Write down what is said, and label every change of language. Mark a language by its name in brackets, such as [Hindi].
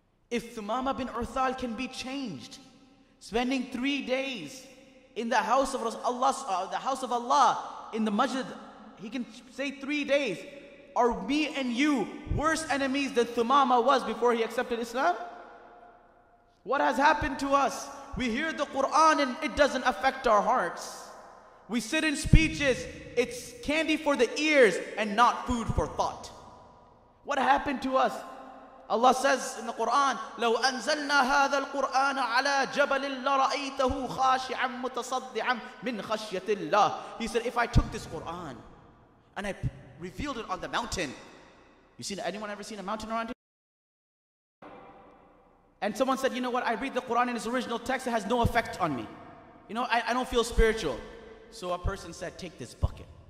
[English] If Thumama bin Uthal can be changed, spending 3 days in the house of Allah, in the masjid, he can say 3 days, are me and you worse enemies than Thumama was before he accepted Islam? What has happened to us? We hear the Quran and it doesn't affect our hearts. We sit in speeches, it's candy for the ears and not food for thought. What happened to us? Allah says in the Quran, [Arabic] لو أنزلنا هذا القرآن على جبل لرأيته خاشعا متصدعا من خشية الله. [English] He said, if I took this Quran and I revealed it on the mountain, you seen, anyone ever seen a mountain around here? And someone said, you know what, I read the Quran in its original text, it has no effect on me. You know, I don't feel spiritual. So a person said, take this bucket.